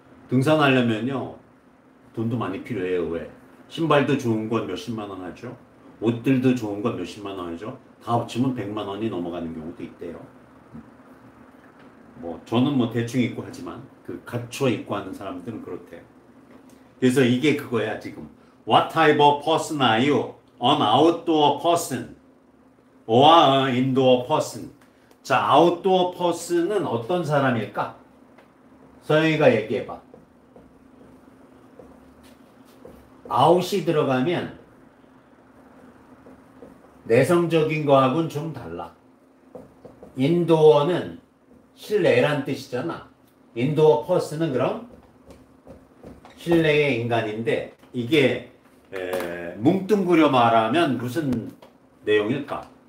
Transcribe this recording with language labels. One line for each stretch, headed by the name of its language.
Korean: 등산하려면요 돈도 많이 필요해요. 왜? 신발도 좋은 건 몇십만 원 하죠. 옷들도 좋은 건 몇십만 원 하죠. 다 합치면 100만 원이 넘어가는 경우도 있대요. 뭐 저는 뭐 대충 입고 하지만 그 갖춰 입고 하는 사람들은 그렇대요. 그래서 이게 그거야 지금.
English: What type of person are you? An outdoor person or an indoor person?
Korean: 자, 아웃도어 퍼스는 어떤 사람일까? 서영이가 얘기해봐. 아웃이 들어가면 내성적인 거하고는 좀 달라. 인도어는 실내란 뜻이잖아. 인도어 퍼스는 그럼 실내의 인간인데, 이게 뭉뚱그려 말하면 무슨 내용일까?